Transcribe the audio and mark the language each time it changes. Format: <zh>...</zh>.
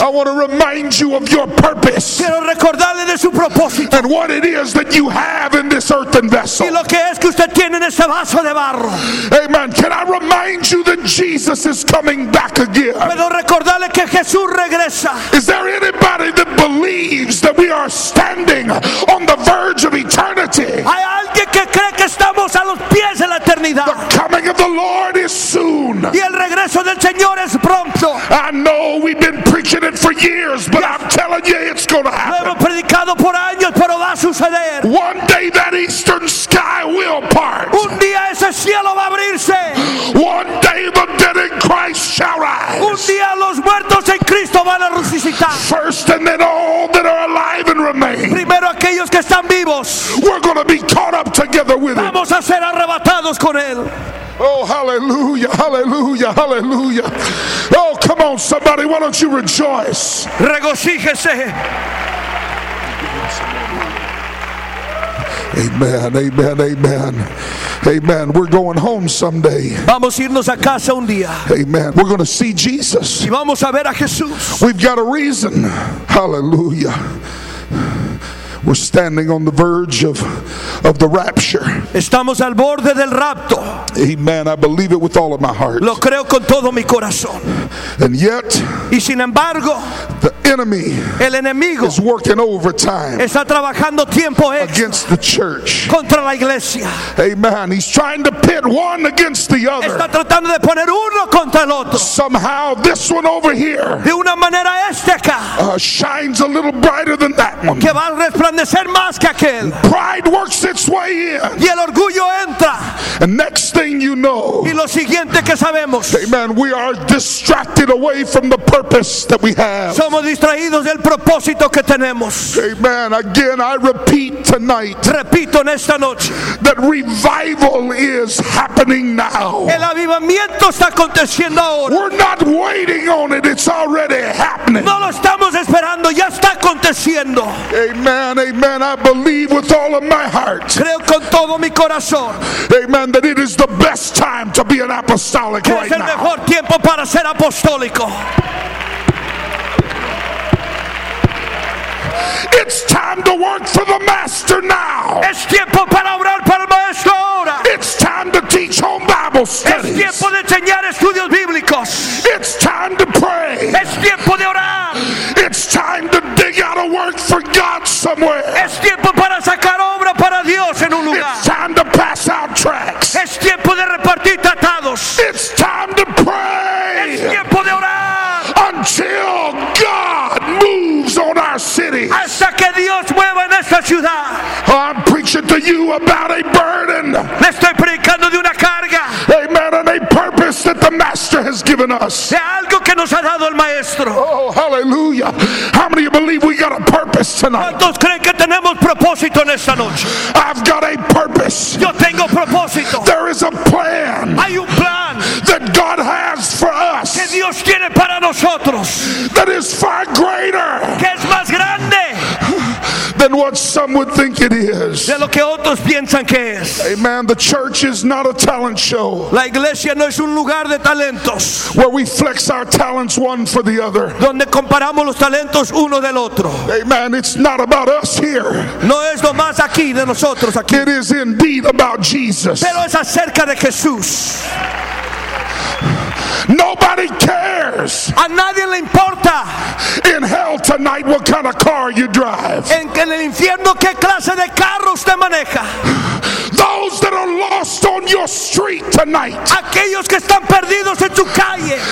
<en>I want to remind you of your purpose,</en> <es>quiero recordarle de su propósito,</es> <en>and what it is that you have in this earthen vessel,</en> <es>y lo que es que usted tiene en este vaso de barro.</es> <en>Amen. Can I remind you that Jesus is coming back again?</en> <es>¿Puedo recordarle que Jesús regresa?</es> <en>Is there anybody that believes that we are standing on the verge of eternity?</en> <es>¿Hay alguien que cree que estamos a los pies de la eternidad?</es> <en>The coming of the Lord is soon.</en> <es>Y el regreso del Señor es pronto.</es> <en>I know we've been preaching it for years, but yes. I'm telling you it's going to happen.</en> <es>Lo hemos predicado por años, pero va a suceder.</es> <en>One day that eastern sky will part.</en> <es>Un día ese cielo va a abrirse.</es> <en>One day the dead in Christ shall rise.</en> <es>Un día los muertos en Cristo van a resucitar.</es> <en>First and then all that are alive and remain.</en> <es>Primero aquellos que están vivos.</es> <en>We're going to be caught up together with him.</en> <es>Vamos a ser arrebatados con él.</es> <en>Oh, hallelujah, hallelujah, hallelujah. Oh, come on, somebody, why don't you rejoice?</en> <es>Regocíjese.</es> <en>Amen, amen, amen. Amen. We're going home someday.</en> <es>Vamos a irnos a casa un día.</es> <en>Amen. We're going to see Jesus.</en> <es>Y vamos a ver a Jesús.</es> <en>We've got a reason. Hallelujah. We're standing on the verge of the rapture.</en> <es>Estamos al borde del rapto.</es> <en>Amen. I believe it with all of my heart.</en> <es>Lo creo con todo mi corazón.</es> <en>And yet,</en> <es>y sin embargo,</es> <en>the enemy,</en> <es>el enemigo,</es> <en>is working overtime,</en> <es>está trabajando tiempo extra,</es> <en>against the church,</en> <es>contra la iglesia.</es> <en>Amen. He's trying to pit one against the other.</en> <es>Está tratando de poner uno contra el otro.</es> <en>Somehow this one over here,</en> <es>de una manera este acá,</es> <en>shines a little brighter than that one.</en> <es>Que va a resplandecer más que aquel.</es> <en>Pride works its way in.</en> <es>Y el orgullo entra.</es> <en>And next thing you know,</en> <es>y lo siguiente que sabemos,</es> <en>amen, we are distracted away from the purpose that we have.</en> <es>Somos distraídos del propósito que tenemos.</es> <en>Amen. Again, I repeat tonight.</en> <es>Repito en esta noche.</es> <en>That revival is happening now.</en> <es>El avivamiento está aconteciendo ahora.</es> <en>We're not waiting on it. It's already happening.</en> <es>No lo estamos esperando. Ya está aconteciendo.</es> <en>Amen. Amen. I believe with all of my heart.</en> <es>Creo con todo mi corazón.</es> <en>Amen. That it is the best time to be an apostolic right now.</en> <es>Que es el mejor tiempo para ser apostólico.</es> <en>It's time to work for the master now.</en> <es>Es tiempo para obrar para el maestro ahora.</es> <en>It's time to teach home Bible studies.</en> <es>Es tiempo de enseñar estudios bíblicos.</es> <en>It's time to pray.</en> <es>Es tiempo de orar.</es> <en>It's time to dig out a work for God somewhere.</en> <es>Es tiempo para sacar obra para Dios en un lugar.</es> <en>It's time to pass out tracts.</en> <es>Es tiempo de repartir tratados.</es> <en>It's time to pray.</en> <es>Es tiempo de orar.</es> <en>Until God moves on our city.</en> <es>Hasta que Dios mueva en esta ciudad.</es> <en>I'm preaching to you about a burden.</en> <es>Le estoy predicando de una carga.</es> <en>Amen. And a purpose that the Master has given us.</en> <es>De algo que nos ha dado el Maestro.</es> <en>Oh, hallelujah. How many of you believe we got a purpose tonight?</en> <es>¿Cuántos creen que tenemos propósito en esta noche?</es> <en>I've got a purpose.</en> <es>Yo tengo propósito.</es> <en>There is a plan.</en> <es>Hay un plan.</es> <en>That God has for us.</en> <es>Que Dios tiene para nosotros.</es> <en>That is far greater.</en> <es>Que es más grande.</es> <en>Than what some would think it is.</en> <es>De lo que otros piensan que es.</es> <en>Amen. The church is not a talent show.</en> <es>La iglesia no es un lugar de talentos.</es> <en>Where we flex our talents one for the other.</en> <es>Donde comparamos los talentos uno del otro.</es> <en>Amen. It's not about us here.</en> <es>No es lo más aquí de nosotros aquí.</es> <en>It is indeed about Jesus.</en> <es>Pero es acerca de Jesús.</es> <en>Nobody cares.</en> <es>A nadie le importa.</es> <en>In hell tonight, what kind of car you drive?</en> <es>En el infierno, qué clase de carro usted maneja?</es> <en>Those that are lost on your street tonight.</en> <es>Aquellos que están perdidos en tu calle.</es>